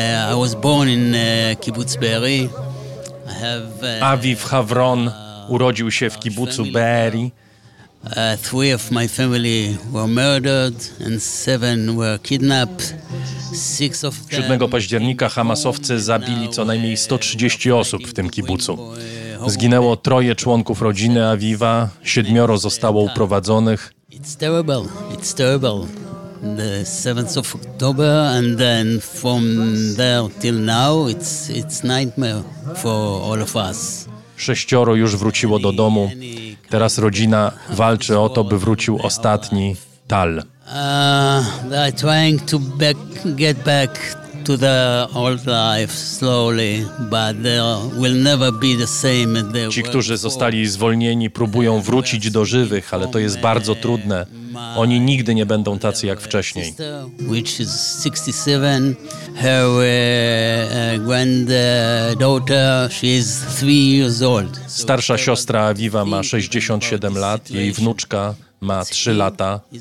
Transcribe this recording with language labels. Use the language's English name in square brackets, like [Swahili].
[English] I was born in Kibbutz Be'eri. [Polish] Aviv Havron urodził się w kibucu Be'eri. [English] Three of my family were murdered and seven were kidnapped. [Polish] 7 października Hamasowcy zabili co najmniej 130 osób w tym kibucu. Zginęło troje członków rodziny Aviva, siedmioro zostało uprowadzonych. [English] It's terrible. The 7th of October and then from there till now it's nightmare for all of us. [Polish] Sześcioro już wróciło do domu. Teraz rodzina walczy o to, by wrócił ostatni Tal. [English] They're trying to get back to the old life slowly, but they will never be the same. [Polish] Ci, którzy zostali zwolnieni, próbują wrócić do żywych, ale to jest bardzo trudne. Oni nigdy nie będą tacy jak wcześniej. [English] Which is 67. Her granddaughter, she is 3 years old. [Polish] Starsza siostra Aviva ma 67 lat, jej wnuczka ma 3 lata.